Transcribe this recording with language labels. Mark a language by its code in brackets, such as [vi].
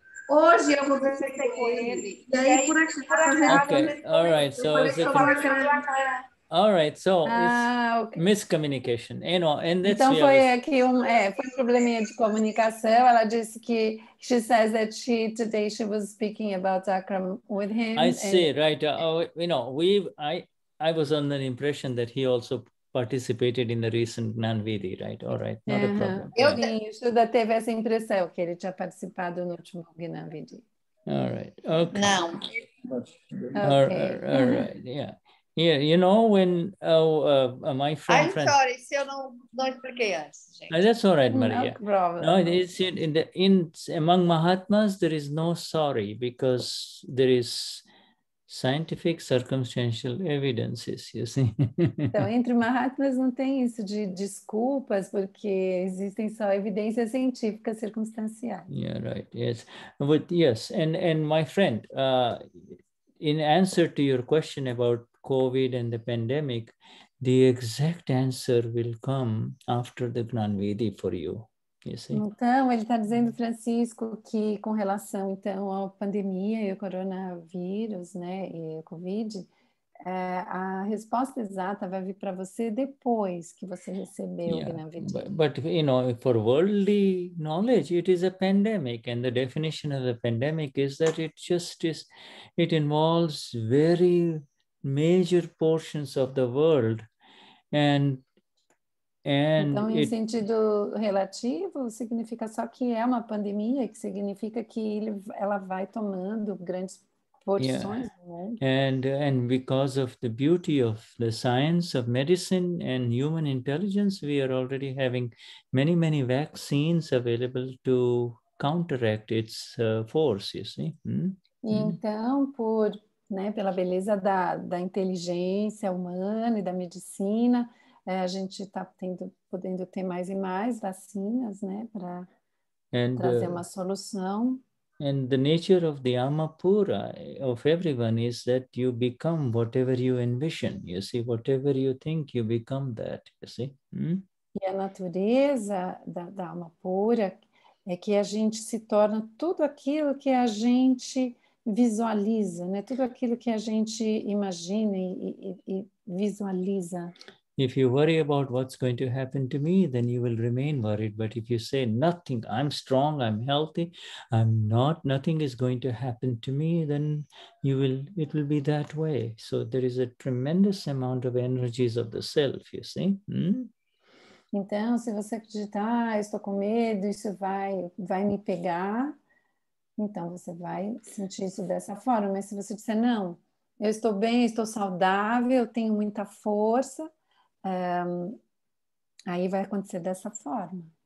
[pt] Hoje eu vou ver se tem com ele. E aí, por aqui, por aqui. [en] Okay. All right. So, is it? All right, so miscommunication. [pt] Então foi aqui foi um probleminha de comunicação. Ela disse que [en] she says that she today she was speaking about Akram with him. I see, right? I was under the impression that he also participated in the recent Gnan Vidhi, right? All right, not a problem. [pt] Eu tenho isso da teve essa impressão que ele tinha participado no último Gnan Vidhi. [en] All right. Okay. [pt] Não. [en] Okay. All right. Yeah. Yeah, you know when my friend. I'm friend, [pt] sorry, se eu não expliquei antes, gente. [en] That's all right, Maria. No problem. No, it's in among Mahatmas there is no sorry because there is scientific circumstantial evidences. You see. [pt] Então entre Mahatmas não tem isso de desculpas porque existem só evidências científicas circunstanciais. [en] Yeah, right. Yes, but yes, and my friend, in answer to your question about COVID and the pandemic, the exact answer will come after the Gnan Vidhi for you. You see? [pt] Então, ele está dizendo, Francisco, que com relação então à pandemia e ao coronavírus, né, e ao COVID, a resposta exata vai vir para você depois que você receber o Gnan Vidhi. [en] But, you know, for worldly knowledge, it is a pandemic. And the definition of the pandemic is that it involves very major portions of the world and [pt] então, em sentido relativo, significa só que é uma pandemia, que significa que ela vai tomando grandes porções do mundo. [en] And because of the beauty of the science of medicine and human intelligence, we are already having many, many vaccines available to counteract its force, you see. [pt] Então, por, né, pela beleza da inteligência humana e da medicina, a gente está podendo ter mais e mais vacinas, né, para trazer uma solução. [en] And the nature of the Amapura of everyone is that you become whatever you envision, you see, whatever you think, you become that, you see. [pt] E a natureza da Amapura é que a gente se torna tudo aquilo que a gente visualiza, né? Tudo aquilo que a gente imagina e visualiza. [en] If you worry about what's going to happen to me, then you will remain worried. But if you say nothing, I'm strong, I'm healthy, I'm not, nothing is going to happen to me, then it will be that way. So there is a tremendous amount of energies of the self, you see. [pt] Então, se você acreditar, estou com medo, isso vai me pegar. Então, você vai sentir isso dessa forma. Mas se você disser, não, eu estou bem, estou saudável, tenho muita força, aí vai acontecer dessa forma.